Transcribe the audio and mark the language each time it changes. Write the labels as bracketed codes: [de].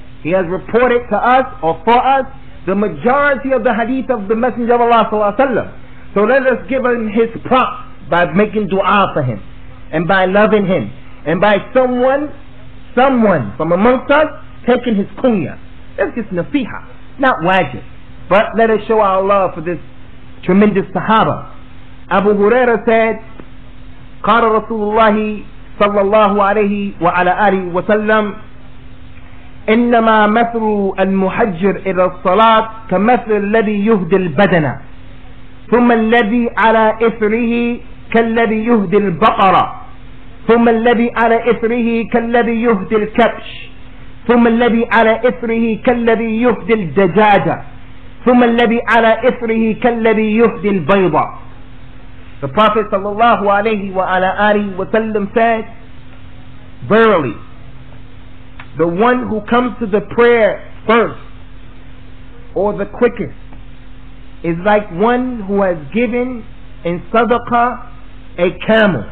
[en] He has reported to us, or for us, the majority of the hadith of the Messenger of Allah sallallahu alayhi wa sallam. So let us give him his props by making dua for him, and by loving him, and by someone from amongst us taking his kunya. That's just nasiha, not wajib. But let us show our love for this tremendous sahaba. Abu Huraira said, [ar] قَالَ رَسُولُ اللَّهِ صَلَّى اللَّهُ عَلَيْهِ وَعَلَىٰ آلِهِ وَسَلَّمُ إِنَّمَا مَثْلُ الْمُحَجِّرِ إِلَى الصَّلَاةِ كَمَثْلِ الَّذِي يُهْدِي الْبَدَنَ ثُمَّ الَّذِي عَلَىٰ إِثْرِهِ كَالَّذِي يُهْدِي الْبَقَرَ ثُمَّ الَّذِي عَلَىٰ إِثْرِهِ كَالَّذِي يُهْدِي الْكَبْشِ ثم الذي على إثره كالذي يهدي الدجاجة ثم الذي على إثره كالذي يهدي البيضة. [en] The Prophet sallallahu alayhi wa ala alihi wa sallam said, verily, the one who comes to the prayer first or the quickest is like one who has given in sadaqah a camel.